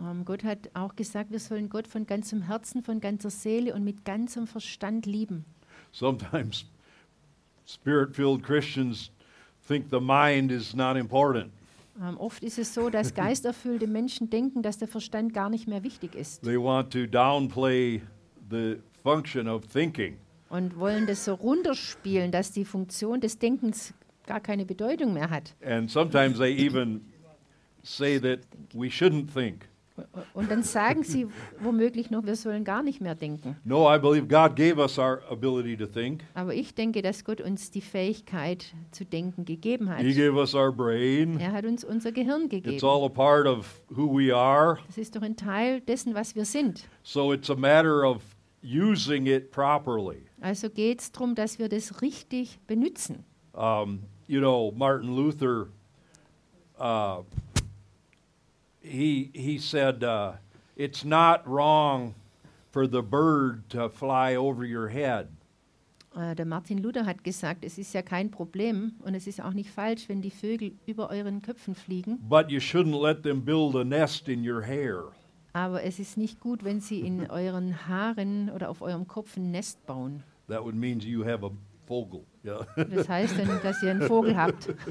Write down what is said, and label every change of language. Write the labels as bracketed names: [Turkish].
[German] Gott hat auch gesagt, wir sollen Gott von ganzem Herzen, von ganzer Seele und mit ganzem Verstand lieben. [English] Sometimes spirit-filled Christians think the mind is not important. [German] Oft ist es so, dass geisterfüllte Menschen denken, dass der Verstand gar nicht mehr wichtig ist. [English] They want to downplay the function of thinking. [German] Und wollen das so runterspielen, dass die Funktion des Denkens gar keine Bedeutung mehr hat. [English] And sometimes they even say that we shouldn't think. [German] Und dann sagen sie womöglich noch, wir sollen gar nicht mehr denken. [English] No, I believe God gave us our ability to think. [German] Aber ich denke, dass Gott uns die Fähigkeit zu denken gegeben hat. [English] He gave us our brain. [German] Er hat uns unser Gehirn gegeben. [English] It's all a part of who we are. [German] Das ist doch ein Teil dessen, was wir sind. [English] So it's a matter of using it properly. [German] Also geht's drum, dass wir das richtig benutzen. [English] You know, Martin Luther, he said, it's not wrong for the bird to fly over your head. [German] Der Martin Luther hat gesagt, es ist ja kein Problem und es ist auch nicht falsch, wenn die Vögel über euren Köpfen fliegen. [English] But you shouldn't let them build a nest in your hair. [German] Aber es ist nicht gut, wenn sie in euren Haaren oder auf eurem Kopf ein Nest bauen. [English] That would mean you have a Vogel. [German] Das heißt dann, dass ihr einen Vogel habt.